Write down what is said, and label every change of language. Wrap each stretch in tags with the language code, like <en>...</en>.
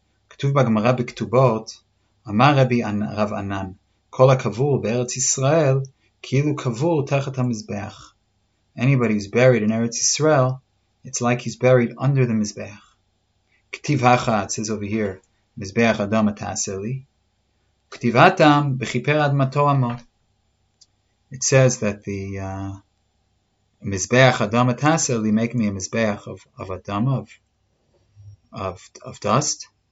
<he>כתוב בגמרא בכתובות, אמר רבי רב ענן, כל הקבור בארץ ישראל, כאילו קבור תחת המזבח.</he> <en>Anybody who's buried in Eretz Yisrael, it's like he's buried under the מזבח.</en> <he>כתיב הכה,</he> <en>it says over here,</en> <he>מזבח אדם תעשה לי. כתיב אדם בכיפר אדמתו עמו.</he> <en>It says that the</en> <he>מזבח אדם תעשה לי,</he> <en>make me a מזבח of אדם, of dust.</en>